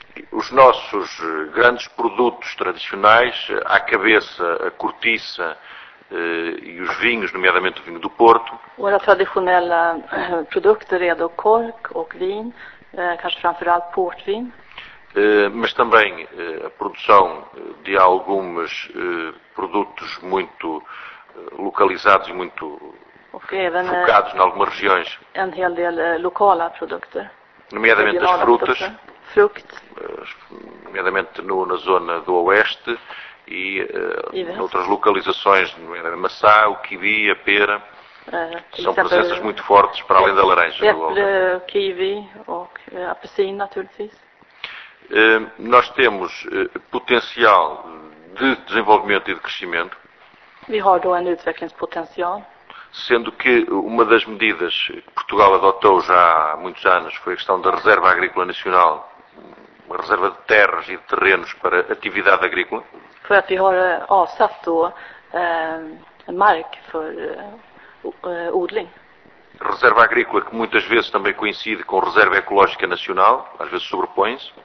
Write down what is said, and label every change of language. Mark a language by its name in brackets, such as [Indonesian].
[Portuguese] Os nossos grandes produtos tradicionais, à cabeça, a cortiça e os vinhos, nomeadamente o vinho do Porto. [Swedish] Våra traditionella produkter är då kork och vin, kanske framförallt portvin. [Portuguese] Mas também a produção de alguns produtos muito localizados e muito focados em algumas regiões. [Swedish] En hel del lokala produkter. [Portuguese] Nomeadamente as frutas. [Swedish] Frukt. [Portuguese] Nomeadamente na zona do Oeste e outras localizações, nomeadamente a maçã, o kiwi, a pera. São presenças muito fortes para além da laranja. [Swedish] Äpple, kiwi och apelsin, naturligtvis. [Portuguese] Nós temos potencial de desenvolvimento e de crescimento. [Swedish] Vi har då en utvecklingspotential. [Portuguese] Sendo que uma das medidas que Portugal adotou já há muitos anos foi a questão da Reserva Agrícola Nacional, uma reserva de terras e de terrenos para atividade agrícola. [Swedish] För att vi har avsatt då mark för odling. [Portuguese] Reserva agrícola que muitas vezes também coincide com Reserva Ecológica Nacional, às vezes sobrepõe-se.